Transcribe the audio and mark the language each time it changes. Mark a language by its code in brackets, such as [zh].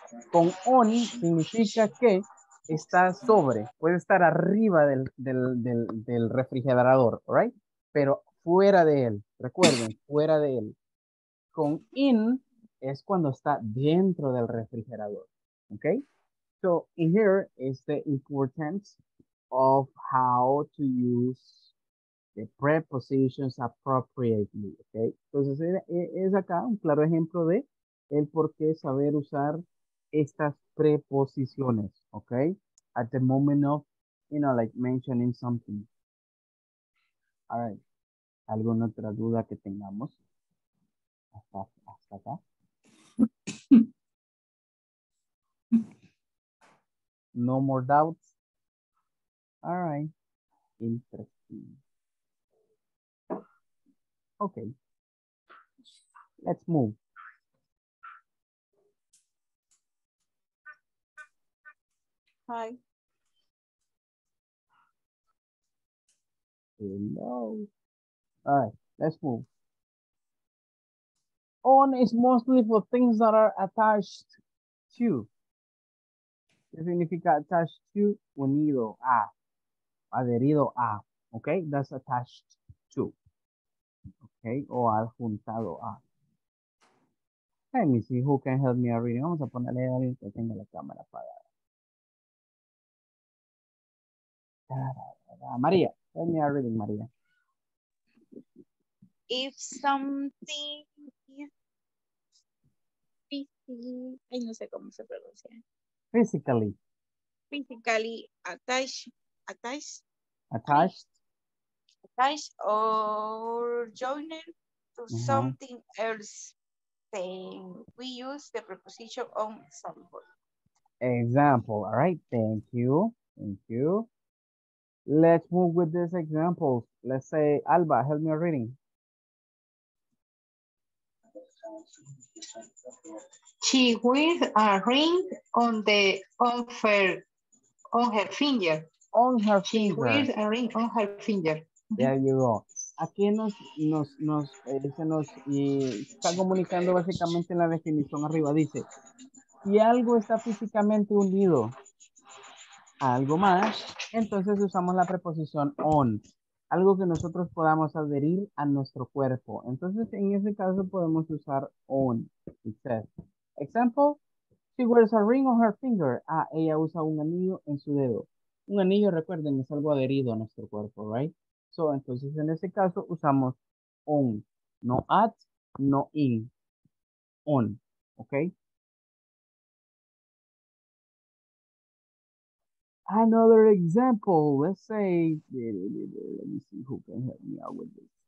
[es] Con on significa que está sobre. Puede estar arriba del refrigerador, [en] right? [es] Pero fuera de él. Recuerden, fuera de él. Con in es cuando está dentro del refrigerador. ¿Ok? [en] So, in here is the importance of how to use the prepositions appropriately. [es] ¿Ok? Entonces, es acá un claro ejemplo de el por qué saber usar estas preposiciones. ¿Ok? [en] At the moment of, you know, like mentioning something. All right. [es] ¿Alguna otra duda que tengamos? ¿Hasta acá? [en] No more doubts. All right. Interesting. Okay. Let's move. Hi. Hello. All right, Let's move. On is mostly for things that are attached to. [es] ¿Qué significa [en] attached to? [es] Unido a. Adherido a. [en] Okay, that's attached to. Okay, [es] o adjuntado a. [en] Let me see who can help me a reading. [es] Vamos a ponerle a alguien que tenga la cámara apagada. [en] María, help me a reading, María. If something physically, [es] no sé cómo se pronuncia. [en] Physically. Physically attached. Attached. Attached. Attached or joined to something else. We use the preposition on some. Example. All right. Thank you. Thank you. Let's move with this example. Let's say, Alba, help me reading. She wears a ring on the on her finger. On her she finger. She wears a ring on her finger. There you go. [es] Aquí nos está comunicando básicamente en la definición arriba. Dice, si algo está físicamente unido a algo más, entonces usamos la preposición on. Algo que nosotros podamos adherir a nuestro cuerpo. Entonces, en ese caso podemos usar on. [en] Example, she wears a ring on her finger. Ah, [es] ella usa un anillo en su dedo. Un anillo, recuerden, es algo adherido a nuestro cuerpo, [en] right? So, [es] entonces, en ese caso, usamos on, no at, no in, on, ¿ok? [en] Another example, let's say, let me see who can help me out with this.